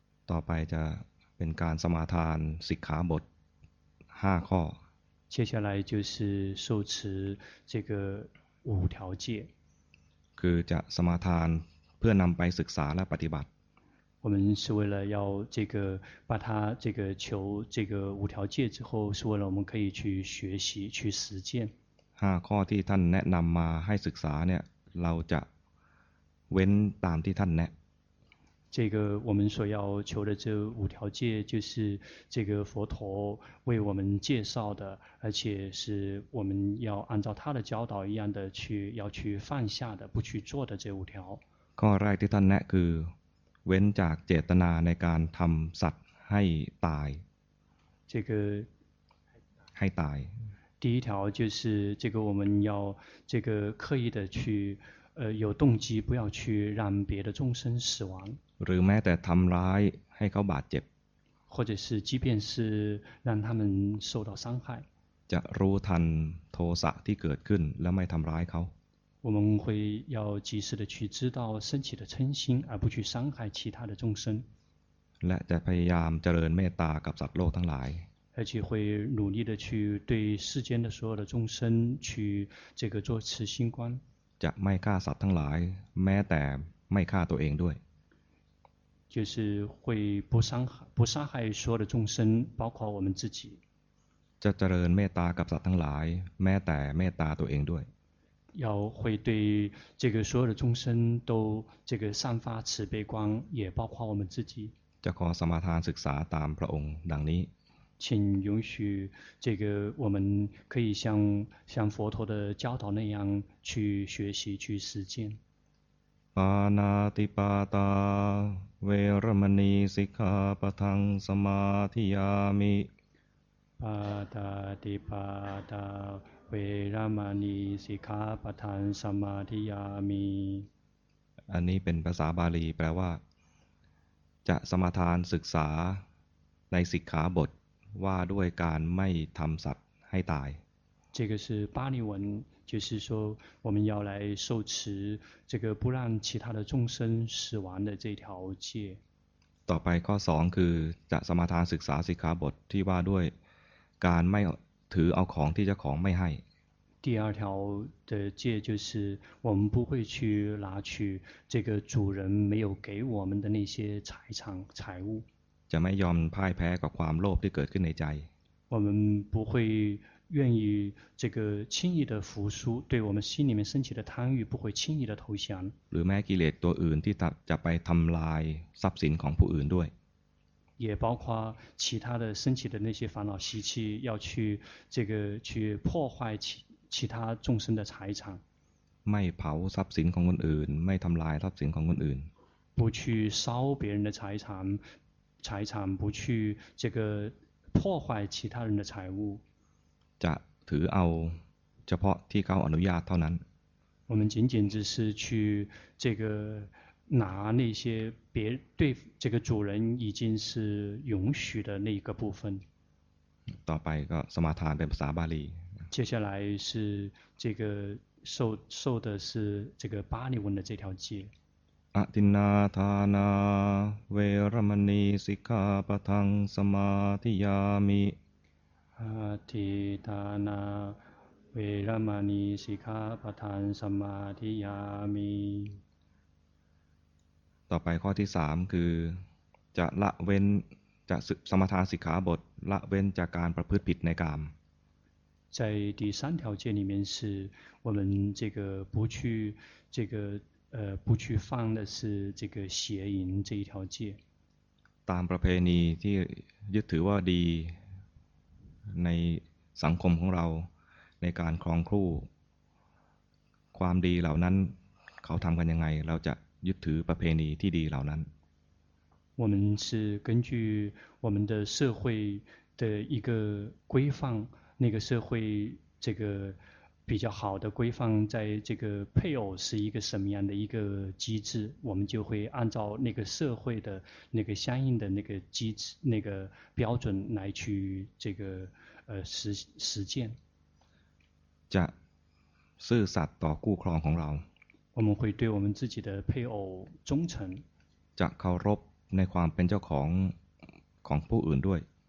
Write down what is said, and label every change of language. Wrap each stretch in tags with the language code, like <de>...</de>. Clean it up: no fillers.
<th>ต่อไปจะเป็นการสมาทานสิกขาบท5ข้อ</th> <zh>接下来就是受持这个五条戒</zh> <th>คือจะสมาทานเพื่อนำไปศึกษาและปฏิบัติ</th> <zh>我们是为了要这个把它这个求这个五条戒之后是为了我们可以去学习去实践</zh> <th>5ข้อที่ท่านแนะนำมาให้ศึกษาเนี่ยเราจะเว้นตามที่ท่านแนะ</th> <zh>这个我们所要求的这五条戒就是这个佛陀为我们介绍的而且是我们要按照他的教导一样的去要去放下的不去做的这五条</zh> <th>ข้อแรกที่ท่านแนะคือเว้นจากเจตนาในการทำสัตว์ให้ตาย</th> <zh>这个</zh> <th>ให้ตาย</th> <zh>第一条就是这个我们要这个刻意的去有动机不要去让别的众生死亡</zh> <th>หรือแม้แต่ทำร้ายให้เขาบาดเจ็บ</th> <zh>或者是即便是让他们受到伤害</zh> <th>จะรู้ทันโทสะที่เกิดขึ้นและไม่ทำร้ายเขา</th> <zh>我们会要及时的去知道升起的嗔心而不去伤害其他的众生</zh> <th>และจะพยายามเจริญเมตตากับสัตว์โลกทั้งหลาย</th> <zh>而且会努力的去对世间的所有的众生去这个做慈心观</zh> <th>จะไม่ฆ่าสัตว์ทั้งหลายแม้แต่ไม่ฆ่าตัวเองด้วย</th> <zh>就是会不伤害所有的众生包括我们自己</zh> <th>จะเจริญเมตตากับสัตว์ทั้งหลายแม้แต่เมตตาตัวเองด้วย</th> <zh>要会对这个所有的众生都这个散发慈悲光也包括我们自己</zh> <th>จะขอสมาทานศึกษาตามพระองค์ดังนี้</th> <zh>请允许这个我们可以像佛陀的教导那样去学习去实践</zh> <pi>ปานาติปาตาเวรมณีสิกขาปะทังสมาธิยามิ ปาตาติปาตาเวรมณีสิกขาปะทังสมาธิยามิ</pi> <th>อันนี้เป็นภาษาบาลีแปลว่าจะสมาทานศึกษาในสิกขาบทว่าด้วยการไม่ทำสัตว์ให้ตาย</th> <zh>这个是巴利文就是说我们要来受持这个不让其他的众生死亡的这条戒</zh> <th>ต่อไปข้อ2คือจะสมาทานศึกษาสิกขาบทที่ว่าด้วยการไม่ถือเอาของที่เจ้าของไม่ให้</th> <zh>第二条的戒就是我们不会去拿取这个主人没有给我们的那些财产财物</zh> <th>จะไม่ยอมพ่ายแพ้กับความโลภที่เกิดขึ้นในใจ</th> <zh>我们不会愿意这个轻易的服输对我们心里面升起的贪欲不会轻易的投降</zh> <th>หรือแม้กิเลสตัวอื่นที่จะไปทำลายทรัพย์สินของผู้อื่นด้วย</th> <zh>也包括其他的升起的那些烦恼习气要去这个去破坏其他众生的财产</zh> <th>ไม่เผาทรัพย์สินของคนอื่นไม่ทำลายทรัพย์สินของคนอื่น</th> <zh>不去烧别人的财产财产不去这个破坏其他人的财物</zh> <th>จะถือเอาเฉพาะที่เขาอนุญาตเท่านั้น</th> <zh>我们仅仅只是去这个拿那些别对这个主人已经是允许的那一个部分</zh> <th>ต่อไปก็สมาทานเป็นภาษาบาลี</th> <zh>接下来是这个受的是这个巴利文的这条戒。</zh> <pi>阿提那他那维拉曼尼西卡巴汤萨玛提亚米。阿提他那维拉曼尼西卡巴汤萨玛提亚米。</pi> <th>ต่อไปข้อที่3คือจะละเว้นจะสมาทานสิกขาบทละเว้นจากการประพฤติผิดในกาม</th> <zh>在第三条戒里面是我们这个不去这个不去犯的是这个邪淫这一条戒</zh> <th>ตามประเพณีที่ยึดถือว่าดีในสังคมของเราในการครองครู่ความดีเหล่านั้นเขาทำกันยังไงเราจะยึดถือประเพณีที่ดีเหล่านั้น</th> <zh>我们是根据我们的社会的一个规范那个社会这个比较好的规范在这个配偶是一个什么样的一个机制我们就会按照那个社会的那个相应的那个机制那个标准来去这个实践</zh> <th>จะซื่อสัตย์ต่อคู่ครองของเรา เราจะให้ความเป็นเจ้าของของผู้อื่นด้วย จะเคารพในความเป็นเจ้าของของผู้อื่นด้วย</th>